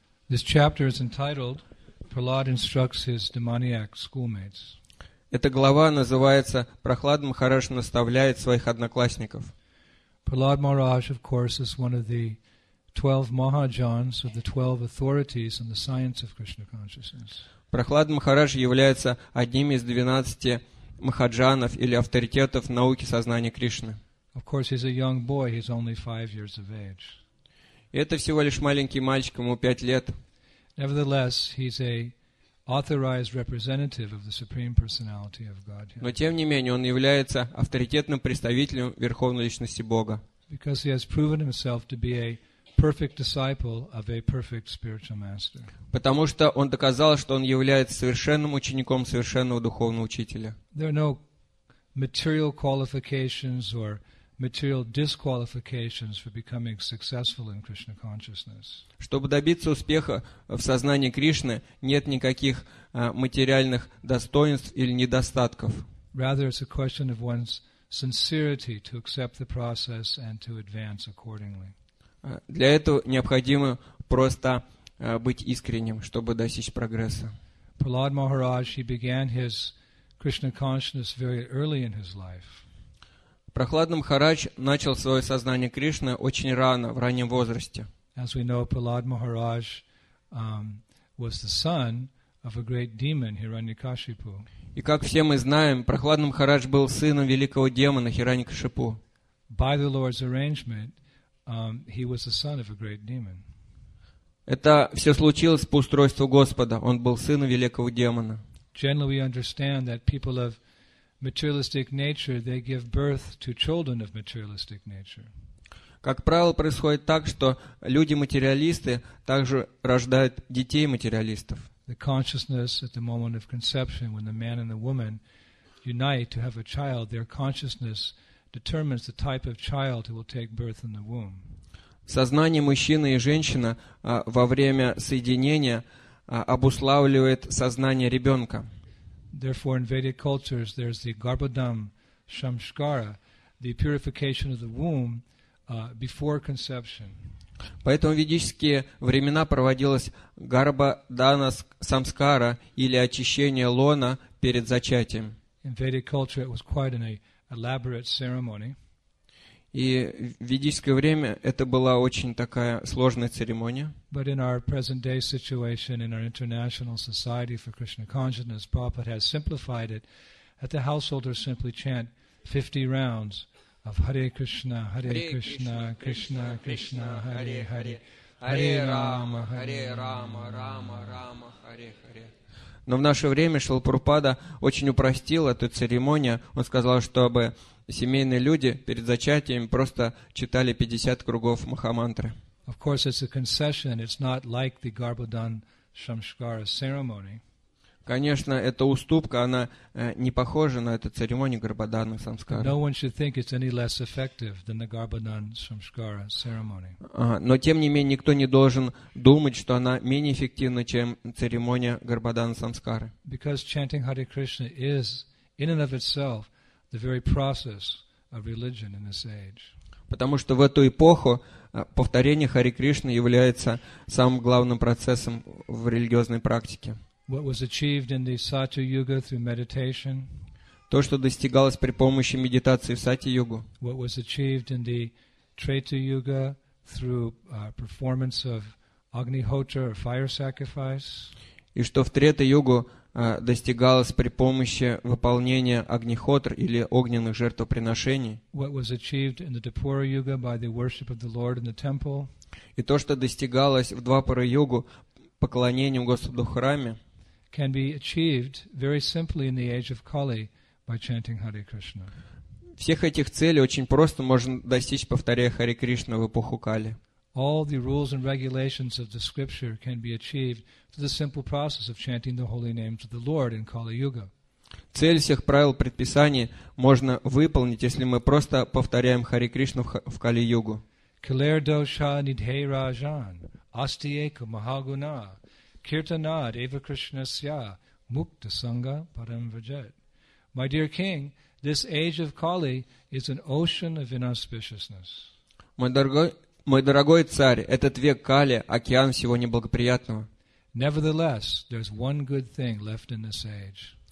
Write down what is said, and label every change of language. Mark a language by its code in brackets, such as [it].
[en] This chapter is entitled Prahlad instructs his demoniac schoolmates. [ru] Эта глава называется Прохлад Махарадж наставляет своих одноклассников. [en] Prahlad Maharaj, of course, is one of the 12 Mahajans of the 12 authorities on the science of Krishna consciousness. [ru] Прохлад Махарадж является одним из 12 махаджанов или авторитетов науки сознания Кришны. [en] Of course, he's a young boy. He's only 5 years of age. [ru] Это всего лишь маленький мальчик, ему 5 лет. [en] Nevertheless, he's a authorized representative of the Supreme Personality of Godhead. [ru] Но тем не менее он является авторитетным представителем Верховной Личности Бога. [en] Because he has proven himself to be a perfect disciple of a perfect spiritual master. [ru] Потому что он доказал, что он является совершенным учеником совершенного духовного учителя. [en] There are no material qualifications or material disqualifications for becoming successful in Krishna consciousness. [ru] Чтобы добиться успеха в сознании Кришны, нет никаких материальных достоинств или недостатков. [en] Rather, it's a question of one's sincerity to accept the process and to advance accordingly. [ru] Для этого необходимо просто быть искренним, чтобы достичь прогресса. [en] Prahlad Maharaj, he began his Krishna consciousness very early in his life. [ru] Prahlad Maharaj начал свое сознание Кришны очень рано, в раннем возрасте. [en] As we know, Prahlad Maharaj was the son of a great demon, Hiranyakashipu. [ru] И как все мы знаем, Prahlad Maharaj был сыном великого демона Hiranyakashipu. [en] By the Lord's arrangement, he was the son of a great demon. [ru] Это все случилось по устройству Господа. Он был сыном великого демона. [en] Generally, we understand that people of materialistic nature they give birth to children of materialistic nature. [ru] Как правило, происходит так, что люди-материалисты также рождают детей-материалистов. [en] The consciousness at the moment of conception, when the man and the woman unite to have a child, their consciousness determines the type of child who will take birth in the womb. [ru] Сознание мужчины и женщины во время соединения обуславливает сознание ребенка. [en] Therefore, in Vedic cultures, there's the Garbhadham Samskara, the purification of the womb, before conception. [ru] Поэтому в ведические времена проводилось Гарбхадана Самскара или очищение лона перед зачатием. [en] In Vedic culture, it was quite an elaborate ceremony. [ru] И в ведическое время это была очень такая сложная церемония. [en] But in our present-day situation, in our international society for Krishna consciousness, Prabhupada has simplified it that the householders simply chant 50 rounds of Hare Krishna, Krishna, Krishna, Krishna, Hare Hare, Hare Rama, Hare Rama, Rama, Rama, Hare Hare. [ru] Но в наше время Шрила Прабхупада очень упростил эту церемонию. Он сказал, чтобы семейные люди перед зачатием просто читали 50 кругов Махамантры. [en] Of course, it's a concession. It's not like the Garbhadan Samskara ceremony. [ru] Конечно, эта уступка, она не похожа на эту церемонию Гарбхадана Самскара. [en] No one should think it's any less effective than the Garbhadan Samskara ceremony. [ru] Но тем не менее, никто не должен думать, что она менее эффективна, чем церемония Гарбхадана Самскары. [en] Because chanting Hare Krishna is in and of itself the very process of religion in this age. [ru] Потому что в эту эпоху повторение Хари Кришны является самым главным процессом в религиозной практике. [en] What was achieved in the Satya Yuga through meditation? [ru] То, что достигалось при помощи медитации в Сати-йогу. [en] What was achieved in the Treta Yuga through performance of Agnihotra or fire sacrifice? [ru] И что в Трета-йогу достигалось при помощи выполнения Агнихотр или огненных жертвоприношений. [en] What was achieved in the Dvapara Yuga by the worship of the Lord in the temple? [ru] И то, что достигалось в Двапара Йогу поклонением Господу в храме, [en] can be achieved very simply in the age of Kali by chanting Hare Krishna. [ru] Всех этих целей очень просто можно достичь, повторяя Хари Кришна в эпоху Кали. [en] All the rules and regulations of the scripture can be achieved through the simple process of chanting the holy names of the Lord in Kali Yuga. [ru] Цель всех правил предписаний можно выполнить, если мы просто повторяем Хари Кришну в Кали Югу. [sa] Kaler dosha nidhe rajan astieka mahaguna kirtanad eva krishnasya mukta sanga param vajet. [en] My dear king, this age of Kali is an ocean of inauspiciousness. [ru] Мой дорогой царь, этот век Кали – океан всего неблагоприятного. [en] Nevertheless, there's one good thing left in this age.